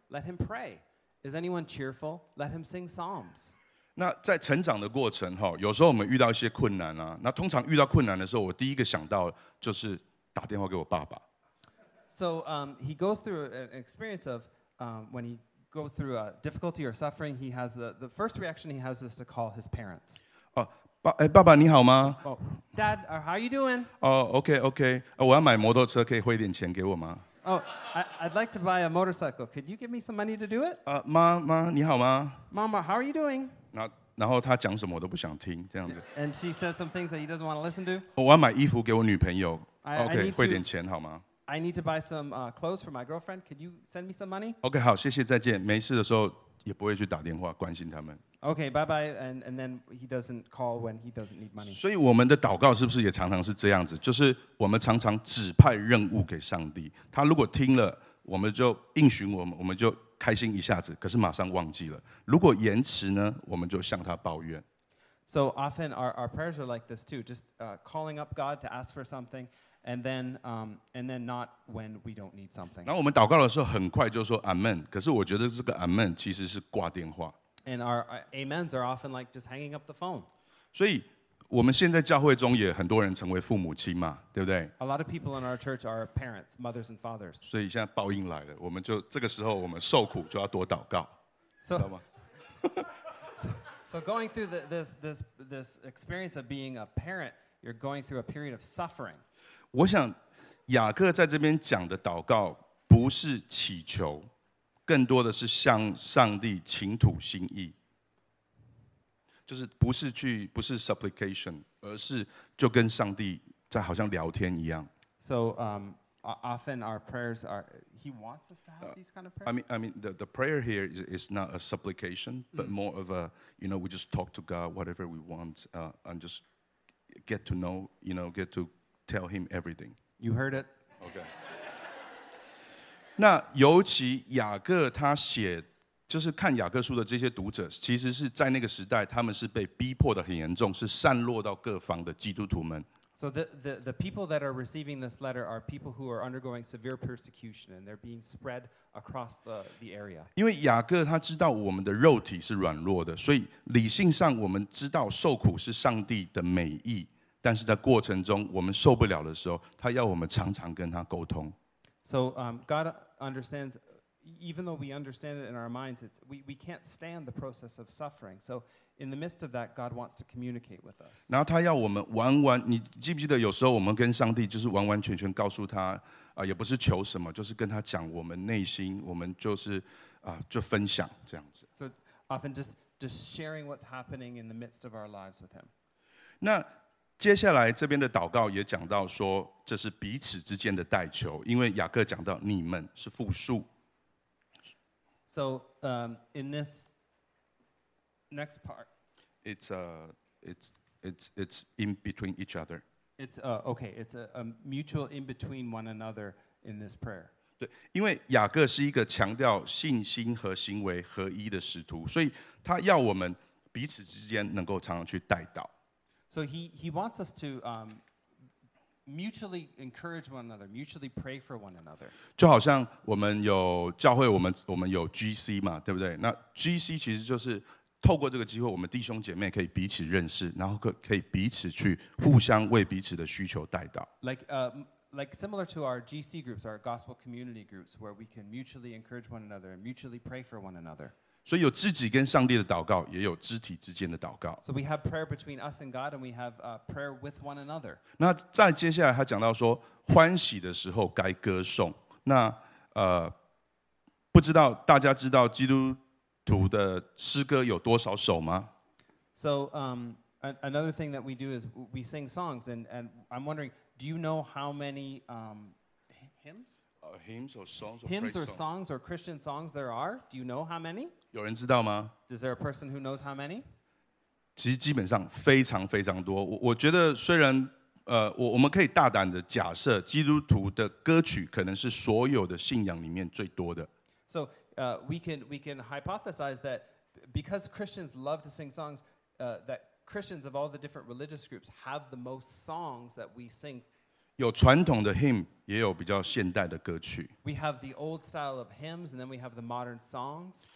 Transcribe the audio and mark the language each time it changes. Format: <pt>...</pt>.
<en>Let him pray Is anyone cheerful? Let him sing psalms</en> <zh>那在成长的过程有时候我们遇到一些困难、啊、那通常遇到困难的时候我第一个想到就是打电话给我爸爸</zh> <en>So he goes through an experience of when he goes through a difficulty or suffering he has the first reaction he has is to call his parents、</en> <zh>oh,爸爸你好吗、</zh> <en>oh, Dad, how are you doing? Oh, okay, okay.</en> <zh>我要买摩托车可以汇点钱给我吗</zh> <en>Oh, I'd like to buy a motorcycle. Could you give me some money to do it?</en> <zh>妈你好吗</zh> <en>Mama, how are you doing?</en> <zh>然后他讲什么我都不想听这样子</zh> <en>And she says some things that he doesn't want to listen to.</en> <zh>我要买衣服给我女朋友 Okay, 汇点钱好吗</zh> <en>I need to buy some clothes for my girlfriend. Could you send me some money?</en> <zh>Okay, 好谢谢再见没事的时候也不会去打电话关心他们</zh> <en>Okay, bye-bye, and then he doesn't call when he doesn't need money.</en> <zh>所以我们的祷告是不是也常常是这样子？就是我们常常指派任务给上帝，他如果听了，我们就应许我们，我们就开心一下子，可是马上忘记了。如果延迟呢，我们就向他抱怨。</zh> <en>So often our prayers are like this too, just calling up God to ask for something, and then not when we don't need something.</en> <zh>然后我们祷告的时候很快就说 Amen, 可是我觉得这个 Amen 其实是挂电话。</zh> <en>And our amens are often like just hanging up the phone.</en> <zh>所以我们现在教会中也很多人成为父母亲嘛，对不对</zh> <en>？A lot of people in our church are parents, mothers and fathers.</en> <zh>所以现在报应来了，我们就这个时候我们受苦就要多祷告，</zh> <en>so,</en> <zh>知道吗？</zh> <en>So going through this experience of being a parent, you're going through a period of suffering.</en> <zh>我想雅各在这边讲的祷告不是祈求。更多的是向上帝倾吐心意，就是不是 supplication， 而是就跟上帝在好像聊天一样。</zh> <en>So often our prayers are he wants us to have these kind of prayers. I mean the prayer here is not a supplication, but more of a you know we just talk to God whatever we want and just get to know you know get to tell him everything. You heard it. Okay.</en> <zh>那尤其雅各他写，就是看雅各书的这些读者，其实是在那个时代，他们是被逼迫的很严重，是散落到各方的基督徒们。</zh> <en>So the people that are receiving this letter are people who are undergoing severe persecution, and they're being spread across the area.</en> <zh>因为雅各他知道我们的肉体是软弱的，所以理性上我们知道受苦是上帝的美意，但是在过程中我们受不了的时候，他要我们常常跟他沟通。</zh> <en>So God understands, even though we understand it in our minds, we can't stand the process of suffering. So in the midst of that, God wants to communicate with us.</en> <zh>然后他要我们完完，你记不记得有时候我们跟上帝就是完完全全告诉他，也不是求什么，就是跟他讲我们内心，我们就是就分享这样子。</zh> <en>So often just sharing what's happening in the midst of our lives with him.</en> <zh>那接下来这边的祷告也讲到说，这是彼此之间的代求，因为雅各讲到你们是复数。</zh> <en>So in this next part, it's in between each other. It's okay. It's a mutual in between one another in this prayer.</en> <zh>对，因为雅各是一个强调信心和行为合一的使徒，所以他要我们彼此之间能够常常去代祷。</zh> <en>So he wants us to mutually encourage one another, mutually pray for one another.</en> <zh>就好像我们有教会，我们有 GC 嘛，对不对？那 GC 其实就是透过这个机会，我们弟兄姐妹可以彼此认识，然后可以彼此去互相为彼此的需求代祷。</zh> <en>Like similar to our GC groups, our gospel community groups, where we can mutually encourage one another and mutually pray for one another.</en> <zh>所以有自己跟上帝的祷告，也有肢体之间的祷告。</zh> <en>So we have prayer between us and God, and we have prayer with one another.</en> <zh>那再接下来，他讲到说，欢喜的时候该歌颂。那不知道大家知道基督徒的诗歌有多少首吗</zh> <en>？So another thing that we do is we sing songs, and I'm wondering, do you know how many hymns? Hymns or songs or Christian songs there are? Do you know how many?</en> <zh>有人知道吗？</zh> <en>Is there a person who knows how many?</en> <zh>其实基本上非常非常多。我觉得虽然我们可以大胆的假设，基督徒的歌曲可能是所有的信仰里面最多的。</zh> <en>So we can hypothesize that because Christians love to sing songs, that Christians of all the different religious groups have the most songs that we sing.</en> <zh>有传统的 hymn， 也有比较现代的歌曲。</zh> <en>We have the old style of hymns, and then we have the modern songs.</en>